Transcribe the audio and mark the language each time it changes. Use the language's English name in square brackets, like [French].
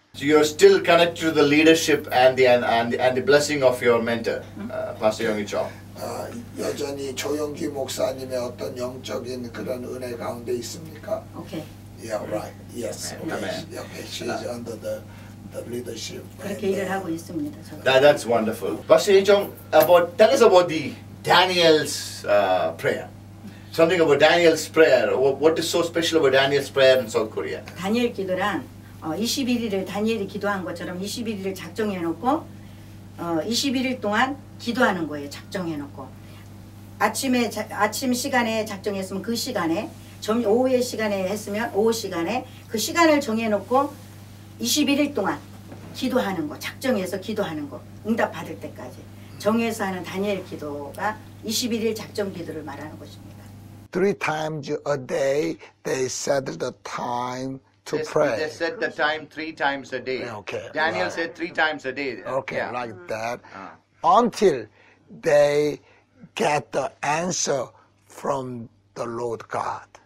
[English] So you're still connected to the leadership and the blessing of your mentor, Pastor Yonggi Cho. [Korean] 여전히 조영기 목사님의 어떤 영적인 그런 은혜 가운데 있습니까? [English] Okay. Yeah. Right. Yes. Amen. Okay. She's under the leadership. [Korean] 그렇게 일을 하고 있습니다. 저는. [English] That's wonderful. Pastor Yehi Chong, tell us about the Daniel's prayer. Something about Daniel's prayer. What is so special about Daniel's prayer in South Korea? [Korean] 다니엘 기도란 21일을 다니엘이 기도한 것처럼 21일을 작정해 놓고 21일 동안 기도하는 거예요. 작정해 놓고 아침 시간에 작정했으면 그 시간에 오후의 시간에 했으면 오후 시간에 그 시간을 정해 놓고 21일 동안 기도하는 거 작정해서 기도하는 거 응답 받을 때까지 정해서 하는 다니엘 기도가 21일 작정 기도를 말하는 것입니다. [English] Three times a day they set the time to pray. They set the time three times a day. Okay. Daniel said three times a day. Okay, like that. Until they get the answer from the Lord God.